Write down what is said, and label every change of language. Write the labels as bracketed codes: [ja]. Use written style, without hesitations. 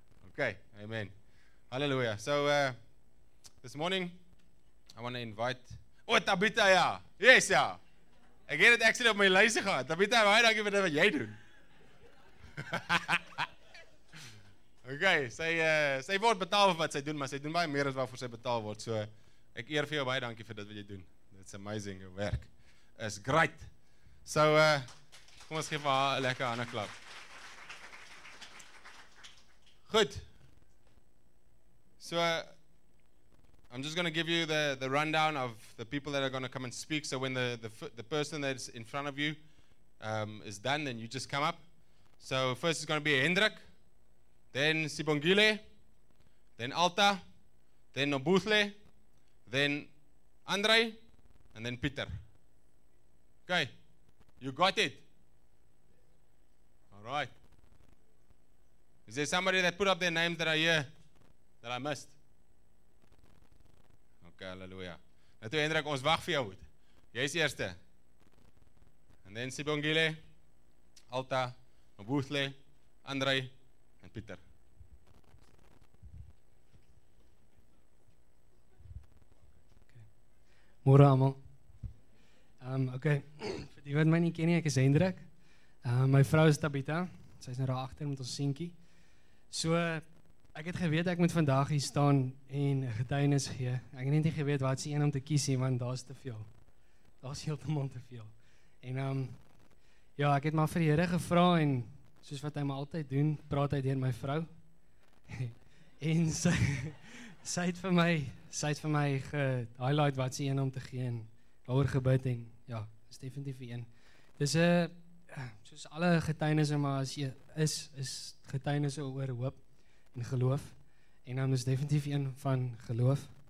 [en] Okay, amen. Hallelujah. So, this morning, I want to invite... Oh, Tabitha, ja. Yes, ja. [af] Ek het actually op my lysie gehad. Tabitha, baie dankie vir dit wat jy doen. Okay, sy word betaal vir wat sy doen, maar sy doen baie meer as waarvoor sy betaal word. So, ek eer vir jou, baie dankie vir dit wat jy doen. It's amazing, your werk is great. So, kom ons geef haar een lekker hande klap. Goed. [en] So, I'm just going to give you the rundown of the people that are going to come and speak. So when the person that's in front of you is done, then you just come up. So first is going to be Hendrik, then Sibongile, then Alta, then Nobuthle, then Andre, and then Peter. Okay, you got it. All right. Is there somebody that put up their names that I hear that I missed? Okay, hallelujah. Now, to [af] Hendrik, ons wacht vir jou. Jy is eerste. [en] And then Sibongile, Alta, Mabuthle, Andre, and Peter. [af] Môre allemaal. Okay, vir die wat my nie ken nie, ek is Hendrik. My vrou is Tabitha, sy is nou daar agter met ons seentjie. So, ek het geweet ek moet vandag hier staan en getuienis gee. Ek het nie geweet wat is die een om te kies nie, want daar is te veel. Daar is heeltemal te veel. En ja, ek het maar vir die Here gevra en soos wat hy my altyd doen, praat hy deur my vrou. En sy het vir my ge-highlight wat is die een om te gee en daaroor gebid en ja, is definitief een. Dis 'n soos alle getuienisse maar as jy is getuienisse oor hoop en geloof. En dan is definitief een van geloof.